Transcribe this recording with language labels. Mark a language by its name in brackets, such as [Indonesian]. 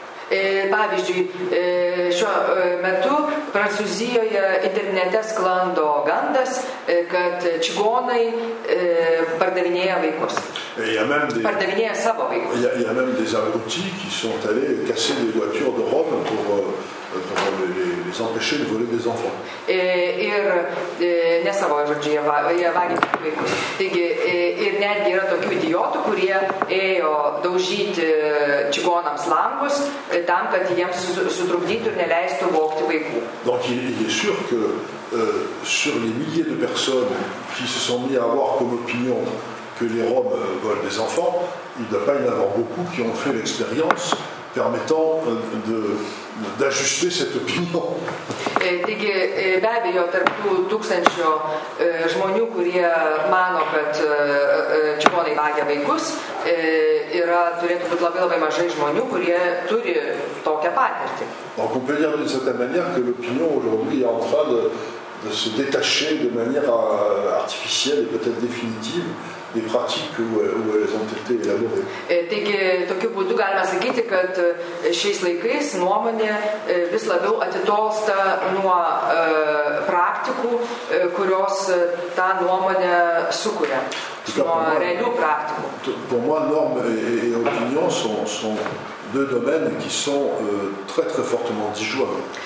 [Lithuanian] Pavyzdžiui, šiuo metu Prancūzijoje internete sklando gandas, kad čigonai pardavinėja vaikus. Pardavinėja savo vaikus. [French] Il y a même des abrutis qui sont allés casser des voitures de Rome pour les empêcher de voler des enfants. [Lithuanian] Ir ne savo žodžiu, jie vagina vaikus. Taigi, ir netgi yra tokių idiotų, kurie ėjo daužyti čigonams langus, tam, kad jiems sutrukdytų ir neleistų vokti vaikų. [French] Donc il est sûr que sur les milliers de personnes qui se sont mis à avoir comme opinion que les Roms volent des enfants, il ne doit pas y en avoir beaucoup qui ont fait l'expérience permettant d'ajuster cette opinion. [Lithuanian] Taigi, be abejo, tarp tų tūkstančių žmonių, kurie mano, kad čigonai vagia vaikus, yra turėtų būti labai labai mažai žmonių, kurie turi tokią patirtį. [French] Donc on peut dire d'une certaine manière que l'opinion aujourd'hui est en train de se détacher de manière artificielle et peut-être définitive des pratiques où elles ont été élaborées. [Lithuanian] Taigi, tokiu būdu galima sakyti, kad šiais laikais nuomonė vis labiau atitolsta nuo praktikų, kurios tą nuomonę sukuria, nuo realių praktikų. [French] Pour moi, norme et opinion sont deux domaines qui sont très très fortement disjoints.